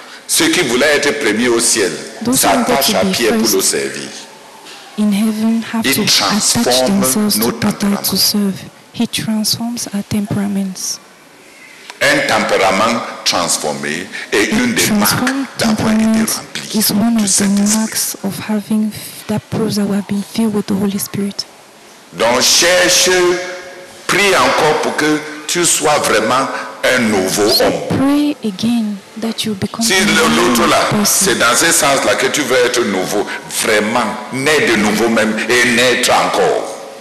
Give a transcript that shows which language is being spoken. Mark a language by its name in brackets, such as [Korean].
[French] Ceux qui voulaient être premiers au ciel s'attachent à Pierre pour le servir. [English] In heaven have to attach themselves to Peter to serve. He transforms our temperaments. [French] Un tempérament transformé est une des marques d'avoir été rempli. [English] Is one of the marks of having that proves that we have been filled with the Holy Spirit. [French] Donc cherche, prie encore pour que tu sois vraiment un nouveau homme. [English] Pray again that you become [French] si l'autre là, c'est dans ce sens là que tu veux être nouveau, vraiment, naître de nouveau même et naître encore.